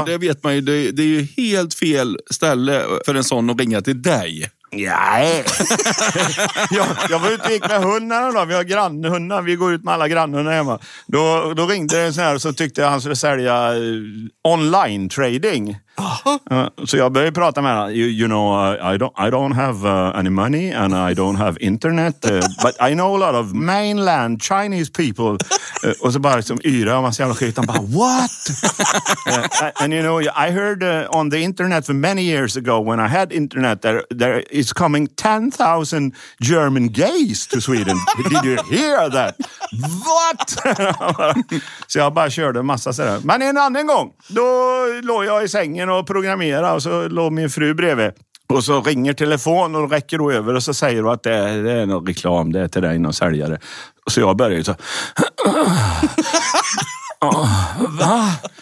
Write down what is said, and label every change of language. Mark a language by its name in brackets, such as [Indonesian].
[Swedish] Och det vet man ju, det är ju helt fel ställe för en sån att ringa till dig. Nej. Jag var ute och gick med hundarna då. Vi har grannhundar. Vi går ut med alla grannhundar hemma. Då ringde en sån här och så tyckte jag han skulle sälja online trading. Så jag började prata med honom. [English] You know, I don't have any money and I don't have internet. But I know a lot of mainland Chinese people. [Swedish] Och så bara liksom yra om hans jävla skit. Han bara, what? [English] And you know, I heard on the internet for many years ago when I had internet there is coming 10,000 German gays to Sweden. Did you hear that? What? [Swedish] Så jag bara körde en massa sådär. Men en annan gång, då låg jag i sängen och programmera och så låg min fru bredvid och så ringer telefonen och räcker då över och så säger du att det är någon reklam, det är till dig, någon säljare. Och så jag börjar ju så va?